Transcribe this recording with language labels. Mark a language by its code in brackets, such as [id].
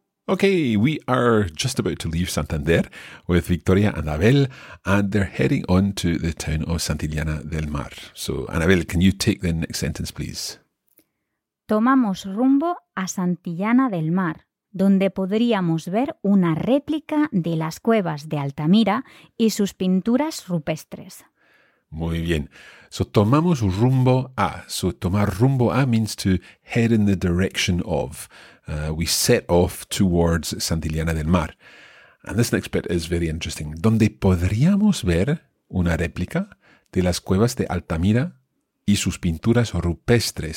[en] Okay, we are just about to leave Santander with Victoria and Abel, and they're heading on to the town of Santillana del Mar. So, Anabel, can you take the next sentence, please? [es] Tomamos rumbo a Santillana del Mar, donde podríamos ver una réplica de las cuevas de Altamira y sus pinturas rupestres. Muy bien. So tomamos rumbo a. [en] So tomar rumbo a means to head in the direction of. We set off towards Santillana del Mar. And this next bit is very interesting. [es] Donde podríamos ver una réplica de las cuevas de Altamira y sus pinturas rupestres.